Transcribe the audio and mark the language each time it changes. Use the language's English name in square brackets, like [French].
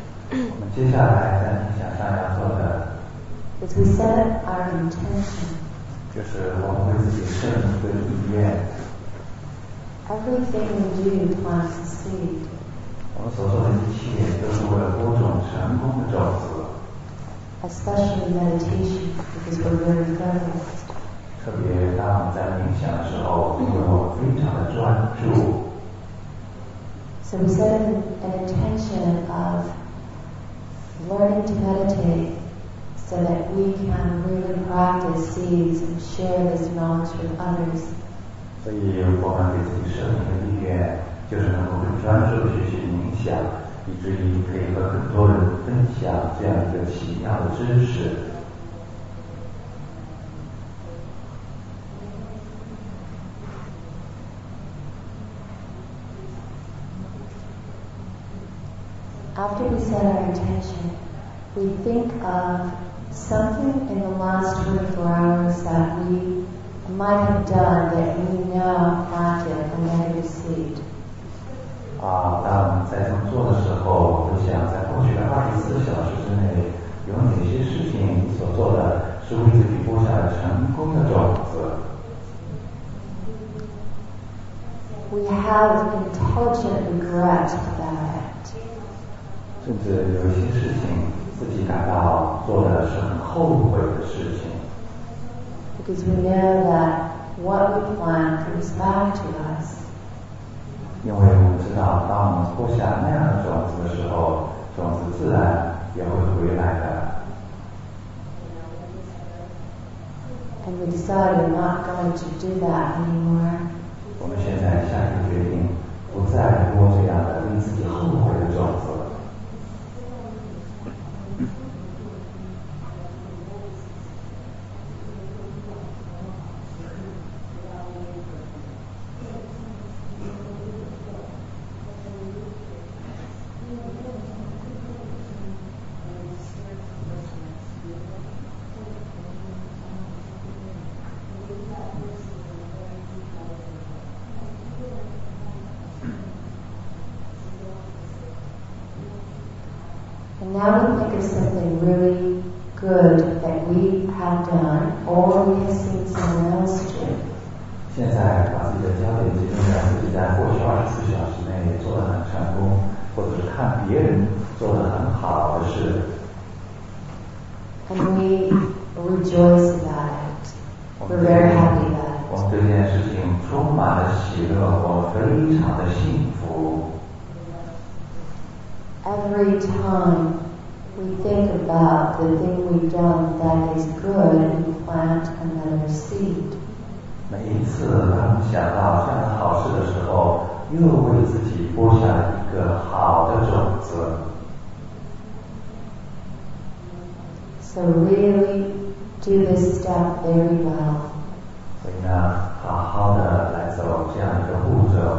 [Chinese] 我们接下来在冥想上要做的 [English] is we set our intention. [Chinese] 就是我们为自己设定一个意愿。 [English] Everything we do plants a seed. [Chinese] 我们所做的一切都是为了播种成功的种子。 [English] Especially meditation, because we're very focused. [Chinese] 特别当我们在冥想的时候，因为我们非常的专注。 [English] So we set an intention of learning to meditate so that we can really practice seeds and share this knowledge with others. [Chinese] 所以我们给自己设定的意愿就是能够很专注学习冥想，以至于可以和很多人分享这样一个奇妙的知识。 [English] After we set our intention, we think of something in the last 24 hours that we might have done that we know planted and then received. [Chinese] 当我们在这么做的时候，我们想在过去的24小时之内，有哪些事情所做的是为自己播下了成功的种子。 [English] We have intelligent regret about it. [Chinese] 甚至有一些事情自己感到做的是很后悔的事情。 [English] Because we know that what we plant comes back to us. [Chinese] 因为我们知道当我们播下那样的种子的时候，种子自然也会回来的。 [English] And we decide we're not going to do that anymore. [Chinese] 我们现在下定决定不再播这样的令自己后悔的种子。 [English] Now we think of something really good that we have done, or we have seen someone else do. [Chinese] 现在把自己的焦点集中在自己在过去24小时内做得很成功，或者是看别人做得很好的事。 [English] And we rejoice about it. We're very happy about it. [Chinese] 我们对这件事情充满了喜乐，我非常的幸福。 [English] Every time we think about the thing we've done that is good, we plant another seed. [Chinese] 每一次当想到这样的好事的时候，又为自己播下一个好的种子。 [English] So really do this step very well. [Chinese] 所以呢，好好的来走这样一个步骤。